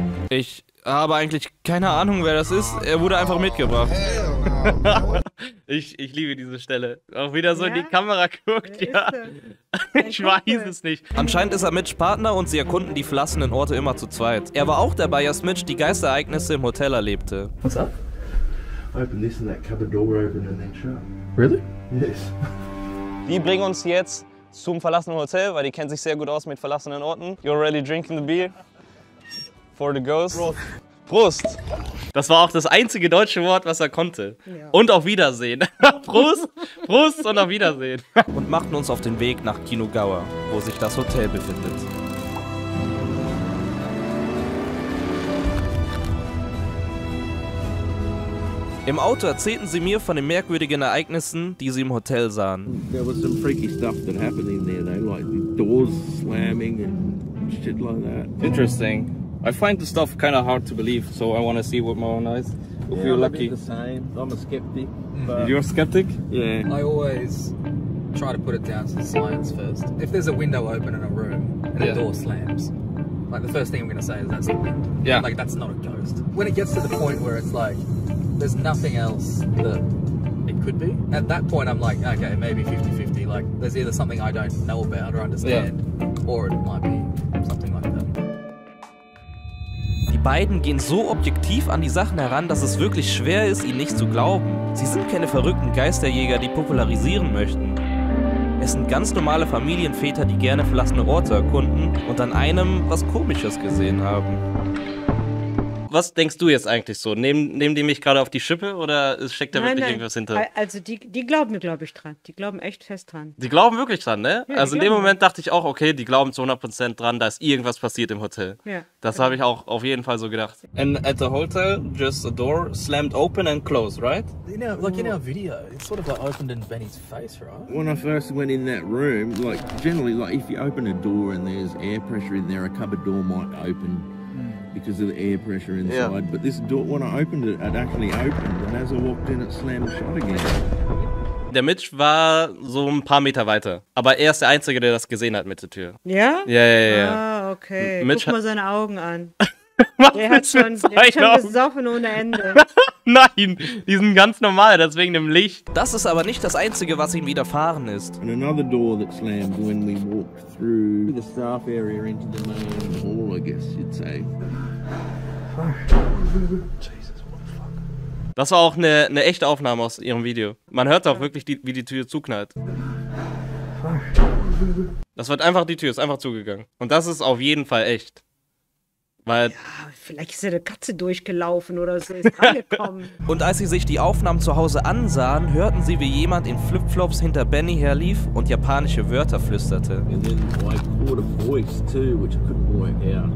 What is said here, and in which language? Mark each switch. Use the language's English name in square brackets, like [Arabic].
[German] Ich habe eigentlich keine Ahnung, wer das ist. Er wurde einfach mitgebracht. Ich liebe diese Stelle. Auch wieder so in die Kamera guckt, ja. Ich weiß es nicht. Anscheinend ist er Mitch Partner und sie erkunden die verlassenen Orte immer zu zweit. Er war auch dabei, als Mitch die Geisterereignisse im Hotel erlebte. [English] What's up? Open this and that cupboard door open and then shut. Really? Yes. [German] Die bringen uns jetzt zum verlassenen Hotel, weil die kennen sich sehr gut aus mit verlassenen Orten. [English] You're already drinking the beer for the ghost. [German] Prost. Prost. Das war auch das einzige deutsche Wort, was er konnte. Ja. Und auf Wiedersehen. Prost. Prost und auf Wiedersehen. Und machten uns auf den Weg nach Kinugawa, wo sich das Hotel befindet. Im Auto erzählten sie mir von den merkwürdigen Ereignissen, die sie im Hotel sahen. [English] There was some freaky stuff that happened in there though, like the doors slamming and shit like that. Interesting. I find the stuff kind of hard to believe, so I want to see with my own eyes. If yeah, you're lucky. I'm a bit the same. I'm a skeptic. But you're a skeptic? Yeah. I always try to put it down to science first. If there's a window open in a room and a door slams, like the first thing I'm going to say is that's the wind. Yeah. Like that's not a ghost. When it gets to the point where it's like, there's nothing else that it could be. At that point, I'm like, okay, maybe 50-50. Like, there's either something I don't know about or understand, or it might be something like that. [German] Die beiden gehen so objektiv an die Sachen heran, dass es wirklich schwer ist, ihnen nicht zu glauben. Sie sind keine verrückten Geisterjäger, die popularisieren möchten. Es sind ganz normale Familienväter, die gerne verlassene Orte erkunden und an einem was Komisches gesehen haben. Was denkst du jetzt eigentlich so? Nehmen die mich gerade auf die Schippe oder steckt da wirklich irgendwas hinter? Also die glauben mir, glaube ich, dran. Die glauben echt fest dran. Die glauben wirklich dran, ne? Ja, also in dem Moment dachte ich auch, okay, die glauben zu 100% dran, da ist irgendwas passiert im Hotel. Ja. Das habe ich auch auf jeden Fall so gedacht. [English] And at the hotel, just a door slammed open and closed, right? In our video, it sort of like opened in Benny's face, right? When I first went in that room, like generally, like if you open a door and there's air pressure in there, a cupboard door might open. Because of the air pressure inside, but this door, when I opened it, it actually opened, and as I walked in, it slammed shut again. [German] Der Mitch war so ein paar Meter weiter, aber er ist der Einzige, der das gesehen hat mit der Tür. Ja? Ja, ja, ja. Ah, okay. Mitch, guck mal seine Augen an. Der hat schon gesoffen ohne Ende. Nein, die sind ganz normal, das wegen dem Licht. Das ist aber nicht das Einzige, was ihm widerfahren ist. [English] And another door that slammed when we walked through the staff area into the main hall, I guess you'd say. Jesus, what the fuck? [German] Das war auch eine echte Aufnahme aus ihrem Video. Man hört auch wirklich, wie die Tür zuknallt. Das wird einfach, die Tür ist einfach zugegangen. Und das ist auf jeden Fall echt. Weil ja, vielleicht ist ja eine Katze durchgelaufen oder so, ist reingekommen. Und als sie sich die Aufnahmen zu Hause ansahen, hörten sie, wie jemand in Flipflops hinter Benny herlief und japanische Wörter flüsterte. [English] And then I caught a voice too, which I couldn't work out.